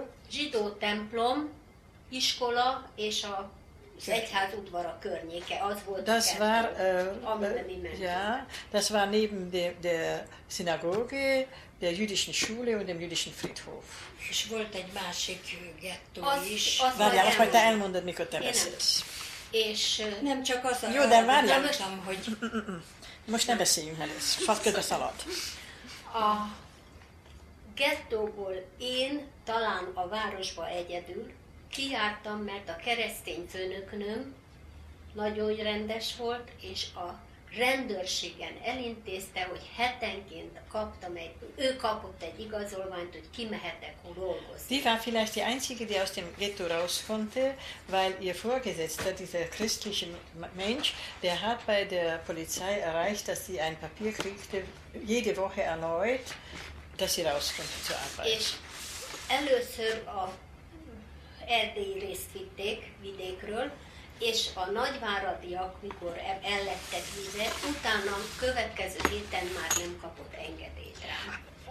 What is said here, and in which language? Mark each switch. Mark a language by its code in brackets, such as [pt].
[hu] Zsidó templom, iskola és az egyház udvara környéke. Az volt [de] das [hu] a gettó, [de] war, [hu] amiben mi mentünk. [de] Ja, das war neben der Synagoge, der jüdischen Schule und dem jüdischen Friedhof. [hu] És volt egy másik gettó is. Várjál, azt majd te elmondod, mikor te beszélsz. És nem csak az jó, de várjál. Mondtam, hogy... Most nem beszéljünk először. Fasz közbe szalad. A gettóból én talán a városba egyedül kijártam, mert a keresztény főnöknöm nagyon rendes volt, és a rendőrségen elintézte, hogy hetenként kapott egy igazolványt, hogy kimehetek dolgozni. [de] Die war vielleicht die einzige, die aus dem Ghetto raus konnte, weil ihr Vorgesetzter, dieser christliche Mensch, der hat bei der Polizei erreicht, dass sie ein Papier kriegte, jede Woche erneut, dass sie raus konnte zur Arbeit. [hu] És először a erdélyi részt vitték vidékről, és a nagyváradiak, mikor ellettek vize, utána a következő héten már nem kapott engedélyt rám.